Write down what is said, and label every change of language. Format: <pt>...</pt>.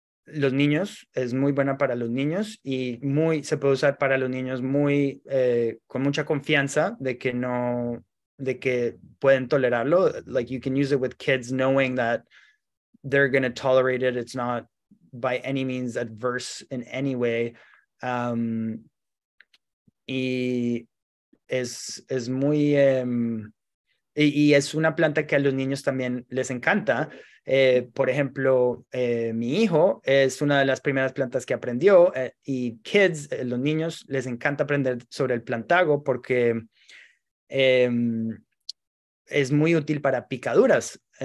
<es>Los niños, es muy buena para los niños y muy se puede usar para los niños muy con mucha confianza de que pueden tolerarlo.</es> <en>Like you can use it with kids, knowing that they're gonna tolerate it. It's not by any means adverse in any way.</en> <es>Y es muy y es una planta que a los niños también les encanta. Por ejemplo, mi hijo es una de las primeras plantas que aprendió y kids, los niños les encanta aprender sobre el plantago porque es muy útil para picaduras.</es>